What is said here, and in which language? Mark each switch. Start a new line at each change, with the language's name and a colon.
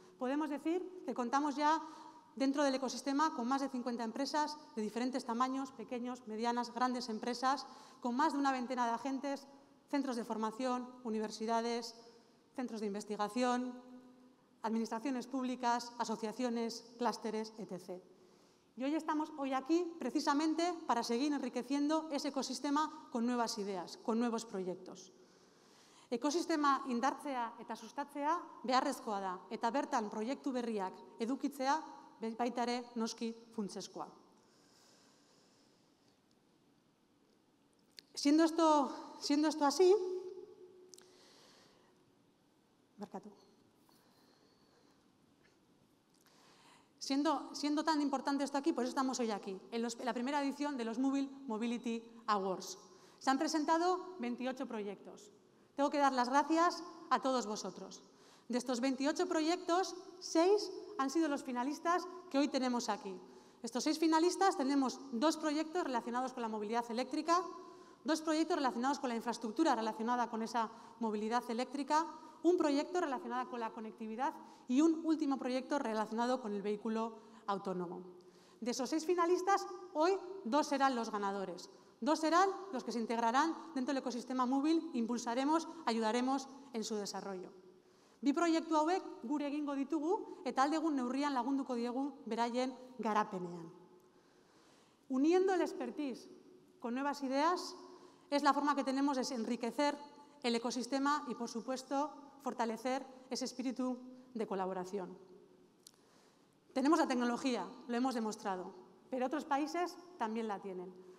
Spanish: Podemos decir que contamos ya dentro del ecosistema con más de 50 empresas de diferentes tamaños, pequeños, medianas, grandes empresas, con más de una veintena de agentes, centros de formación, universidades, centros de investigación, administraciones públicas, asociaciones, clústeres, etc. Y hoy estamos hoy aquí precisamente para seguir enriqueciendo ese ecosistema con nuevas ideas, con nuevos proyectos.
Basque: Ekosistema indartzea eta sustatzea beharrezkoa da, eta bertan proiektu berriak edukitzea baita ere noski funtsezkoa.
Spanish: Siendo esto así,
Basque: barkatu.
Spanish: Siendo tan importante esto aquí, pues estamos hoy aquí, en la primera edición de los Mubil Mobility Awards. Se han presentado 28 proyectos. Tengo que dar las gracias a todos vosotros. De estos 28 proyectos, 6 han sido los finalistas que hoy tenemos aquí. Estos 6 finalistas tenemos 2 proyectos relacionados con la movilidad eléctrica, 2 proyectos relacionados con la infraestructura relacionada con esa movilidad eléctrica, un proyecto relacionado con la conectividad y un último proyecto relacionado con el vehículo autónomo. De esos 6 finalistas, hoy 2 serán los ganadores. 2 serán los que se integrarán dentro del ecosistema Mubil, impulsaremos, ayudaremos en su desarrollo.
Basque: 2 proyektu hauek gure egingo ditugu eta aldegun neurrian lagunduko diegu beraien garapenean.
Spanish: Uniendo el expertise con nuevas ideas es la forma que tenemos de enriquecer el ecosistema y, por supuesto, fortalecer ese espíritu de colaboración. Tenemos la tecnología, lo hemos demostrado, pero otros países también la tienen.